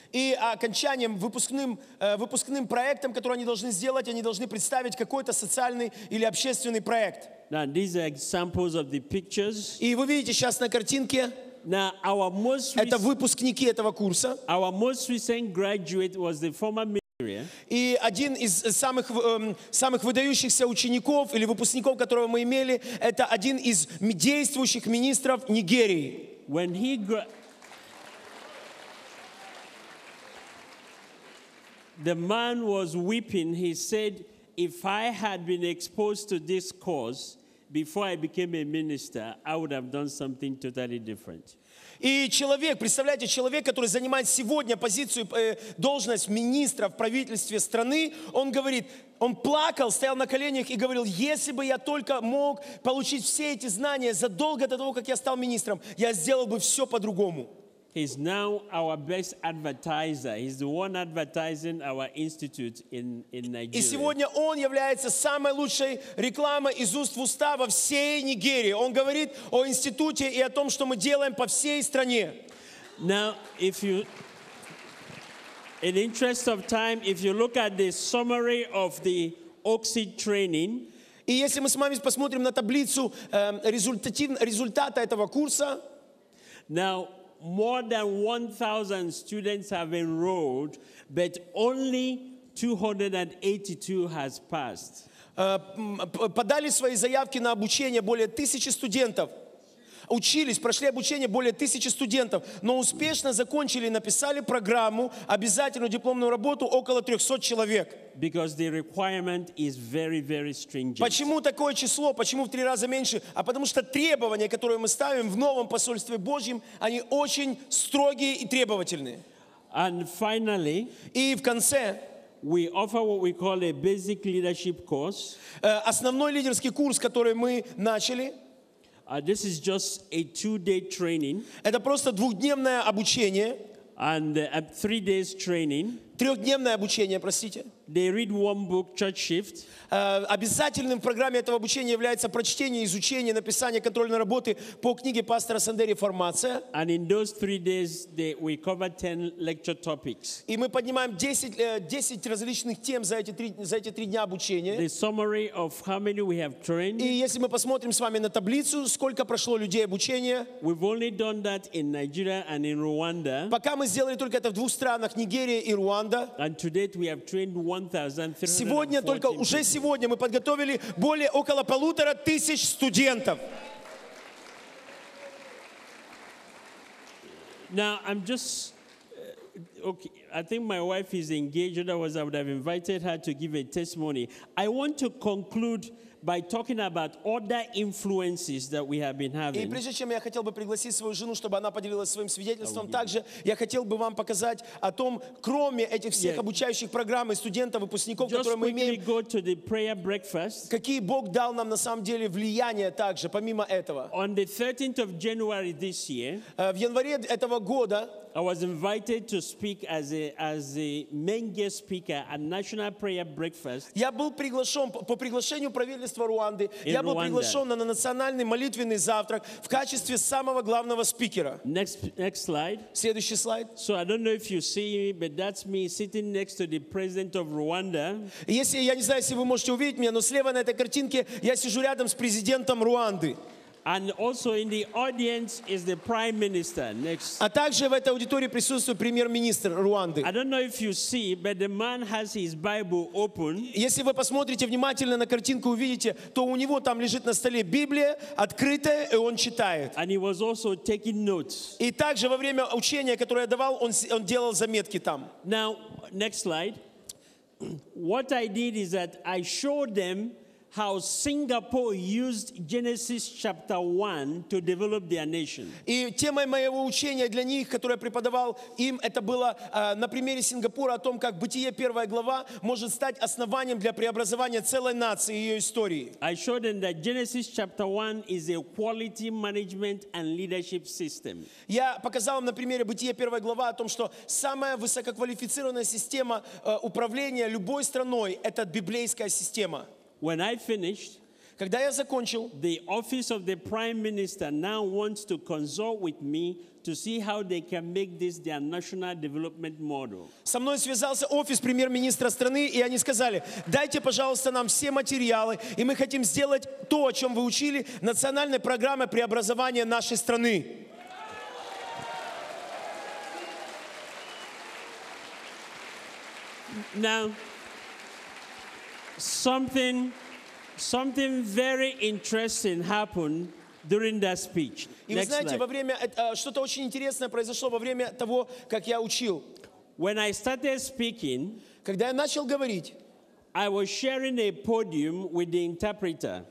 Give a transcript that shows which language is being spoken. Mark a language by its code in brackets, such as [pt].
[ru] И окончанием, выпускным проектом, который они должны сделать, они должны представить какой-то социальный или общественный проект. [en] Now, these are examples of the pictures. [ru] И вы видите сейчас на картинке, [en] Now, our most [ru] это выпускники этого курса. [en] Our most recent graduate was the former missionary. [ru] И один из самых выдающихся учеников или выпускников, которого мы имели, это один из действующих министров Нигерии. [en] When he The man was weeping. He said, if I had been exposed to this cause before I became a minister, I would have done something totally different. [ru] И человек, представляете, человек, который занимает сегодня позицию, должность министра в правительстве страны, он говорит, он плакал, стоял на коленях и говорил, если бы я только мог получить все эти знания задолго до того, как я стал министром, я сделал бы все по-другому. [en] He's now our best advertiser. He's the one advertising our institute in Nigeria. [ru] И сегодня он является самой лучшей рекламой из уст в уста во всей Нигерии. Он говорит о институте и о том, что мы делаем по всей стране. [en] Now, if you, in interest of time, if you look at the summary of the Oxid training, [ru] и если мы с вами посмотрим на таблицу результата этого курса, [en] now. More than 1,000 students have enrolled, but only 282 has passed. [ru] Подали свои заявки на обучение более 1,000 студентов. Учились, прошли обучение более 1,000 студентов, но успешно закончили, написали программу, обязательную дипломную работу около 300 человек. [en] Because the requirement is very, very stringent. [ru] Почему такое число? Почему в 3 раза меньше? А потому что требования, которые мы ставим в новом посольстве Божьем, они очень строгие и требовательные. [en] And finally, [ru] и в конце, [en] we offer what we call a basic leadership course. [ru] Основной лидерский курс, который мы начали. [en] This is just a 2-day training. [ru] Это просто двухдневное обучение. [en] And 3 days training. [ru] Трехдневное обучение, простите. [en] They read one book, church shift. [ru] Обязательным в программе этого обучения является прочтение, изучение, написание контрольной работы по книге пастора Сандери «Формация». [en] And in those 3 days, we cover 10 lecture topics. [ru] И мы поднимаем 10 различных тем за эти три дня обучения. [en] The summary of how many we have trained. [ru] И если мы посмотрим с вами на таблицу, сколько прошло людей обучения. [en] We've only done that in Nigeria and in Rwanda. [ru] Пока мы сделали только это в двух странах, Нигерия и Руанда. [en] And to date we have trained 1,340. [ru] Сегодня только уже сегодня мы подготовили более около 1,500 студентов. [en] Now I'm just okay. I think my wife is engaged. Otherwise, I would have invited her to give a testimony. I want to conclude by talking about other influences that we have been having. [ru] И прежде чем я хотел бы пригласить свою жену, чтобы она поделилась своим свидетельством, также я хотел бы вам показать о том, кроме этих всех обучающих программ и студентов, выпускников, которые мы имеем, [en] go to the prayer breakfast, [ru] какие Бог дал нам на самом деле влияние также, помимо этого. [en] On the 13th of January this year, [ru] в январе этого года, [en] I was invited to speak as a main guest speaker at National Prayer Breakfast. [ru] Я был приглашен по приглашению правительства Руанды. Я был приглашен на национальный молитвенный завтрак в качестве самого главного спикера. [en] Next slide. [ru] Следующий слайд. [en] So I don't know if you see me, but that's me sitting next to the president of Rwanda. [ru] Если я не знаю, если вы можете увидеть меня, но слева на этой картинке я сижу рядом с президентом Руанды. [en] And also in the audience is the prime minister. Next. [ru] А также в этой аудитории присутствует премьер-министр Руанды. [en] I don't know if you see, but the man has his Bible open. [ru] Если вы посмотрите внимательно на картинку, увидите, то у него там лежит на столе Библия открытая, и он читает. [en] And he was also taking notes. [ru] И также во время учения, которое я давал, он делал заметки там. [en] Now, next slide. What I did is that I showed them how Singapore used Genesis chapter 1 to develop their nation. [ru] И темой моего учения для них, которое я преподавал им, это было на примере Сингапура о том, как Бытие первая глава может стать основанием для преобразования целой нации и ее истории. [en] I showed them that Genesis chapter 1 is a quality management and leadership system. [ru] Я показал им на примере Бытие первая глава о том, что самая высококвалифицированная система управления любой страной это библейская система. [en] When I finished, [ru] когда я закончил, [en] the office of the prime minister now wants to consult with me to see how they can make this their national development model. [ru] Со мной связался офис премьер-министра страны, и они сказали: "Дайте, пожалуйста, нам все материалы, и мы хотим сделать то, о чем вы учили, национальной программой преобразования нашей страны." [en] Now, something very interesting happened during that speech. [ru] И вы знаете, во время что-то очень интересное произошло во время того, как я учил. [en] When I started speaking, [ru] когда я начал говорить, [en] I was sharing a podium with the interpreter.